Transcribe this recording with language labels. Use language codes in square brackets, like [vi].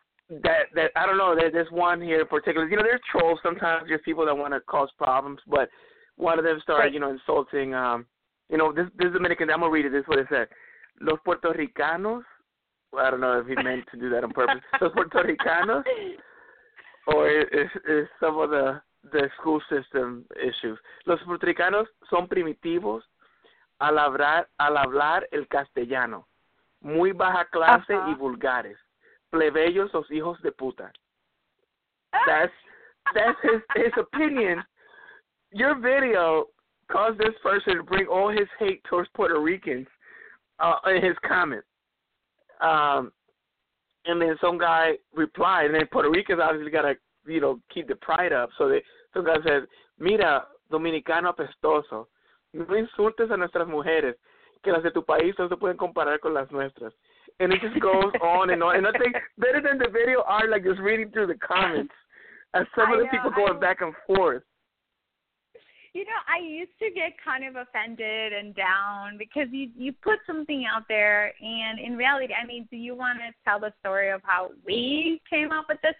[en] that I don't know, there's one here in particular, you know, there's trolls sometimes, there's people that want to cause problems, but one of them started, you know, insulting, you know, this Dominican, I'm going to read it, this is what it said, [es] los puertorricanos, well, I don't know if he meant to do that on purpose, los puertorricanos, or is some of the school system issues, los puertorricanos son primitivos al hablar el castellano, muy baja clase y vulgares. Plebeyos, los hijos de puta. [en] That's his opinion. Your video caused this person to bring all his hate towards Puerto Ricans in his comment. And then some guy replied, and then Puerto Ricans obviously got to, you know, keep the pride up. So some guy said, [es] mira, Dominicano apestoso, no insultes a nuestras mujeres, que las de tu país no se pueden comparar con las nuestras. [en] And it just goes on and on. And I think better than the video art, like just reading through the comments as some of the people going back and forth. You know, I used to get kind of offended and down because you put something out there. And in reality, I mean, do you want to tell the story of how we came up with this?